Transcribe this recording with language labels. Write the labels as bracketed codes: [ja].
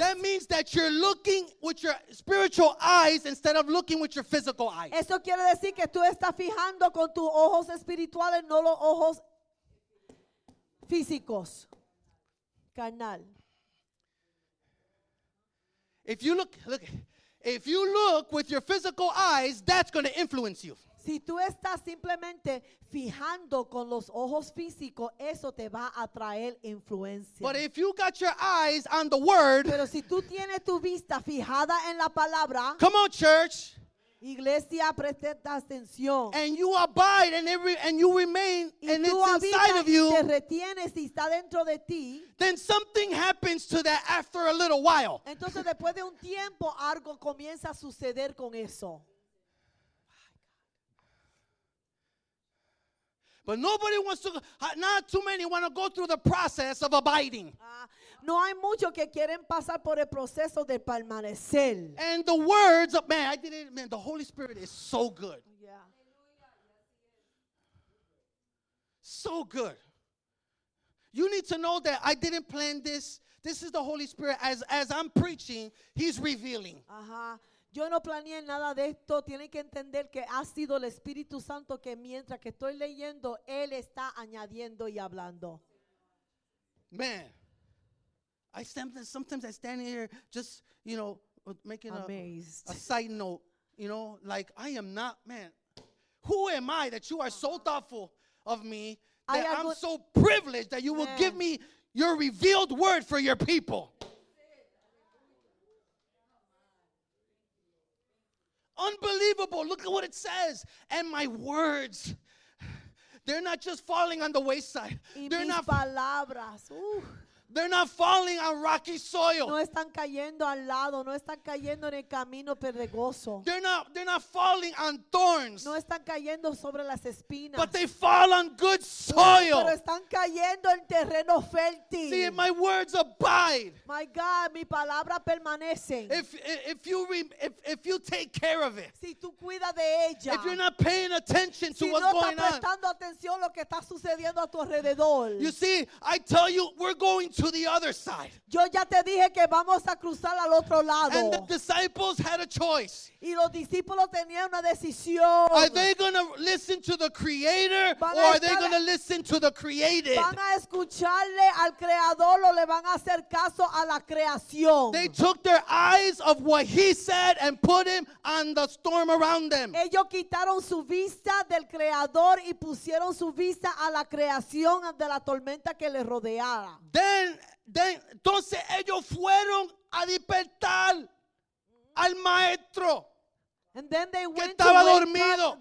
[en] that means that you're looking with your spiritual eyes instead of looking with your physical eyes. [es] Eso quiere decir que tú estás fijando con tus ojos espirituales, no los ojos físicos, carnal. [en] If you look, if you look with your physical eyes, that's going to influence you. [es] Si tú estás simplemente fijando con los ojos físicos, eso te va a traer influencia. [en] But if you got your eyes on the word, [es] pero si tú tienes tu vista fijada en la palabra, [en] come on, church. [es] Iglesia, preste atención. [en] And you abide and every and you remain and it's inside of you. [es] Y tú habitas y te retienes y está dentro de ti. [en] Then something happens to that after a little while. [es] Entonces después de un tiempo algo comienza a suceder con eso. [en] But nobody wants to, not too many want to go through the process of abiding. [es] No hay muchos que quieren pasar por el proceso de permanecer. [en] And the words of, man, I did it, man, the Holy Spirit is so good. Yeah. So good. You need to know that I didn't plan this. This is the Holy Spirit. As I'm preaching, he's revealing. [es] Uh-huh. Yo no planeé nada de esto. Tienen que entender que ha sido el Espíritu Santo que mientras que estoy leyendo, Él está añadiendo y hablando. [en] Man, sometimes I stand here just, you know, making amazed. A side note, you know, like I am not, man, who am I that you are so thoughtful of me that I'm so privileged that you will give me your revealed word for your people? Unbelievable. Look at what it says. And my words, they're not just falling on the wayside. They're not, [es] palabras. [en] They're not falling on rocky soil. [es] No están cayendo al lado. No están cayendo en el camino pedregoso. [en] They're not falling on thorns. [es] No están cayendo sobre las espinas. [en] But they fall on good soil. [es] Pero están cayendo en terreno fértil. [en] See, my words abide. My God, [es] mi palabra permanece. [en] If you take care of it. [es] Si tú cuidas de ella. [en] If you're not paying attention to [es] si [en] what's [es] no [en] going on. [es] Si no estás prestando atención lo que está sucediendo a tu alrededor. [en] You see, I tell you, we're going to the other side. [es] Yo ya te dije que vamos a cruzar al otro lado. [en] And the disciples had a choice. [es] Y los discípulos tenían una decisión. [en] Are they going to listen to the creator or are they going to listen to the created? [es] Van a escucharle al creador o le van a hacer caso a la creación. [en] They took their eyes of what he said and put him on the storm around them. [es] Ellos quitaron su vista del creador y pusieron su vista a la creación de la tormenta que le rodeaba. Entonces ellos fueron a despertar al maestro que estaba dormido.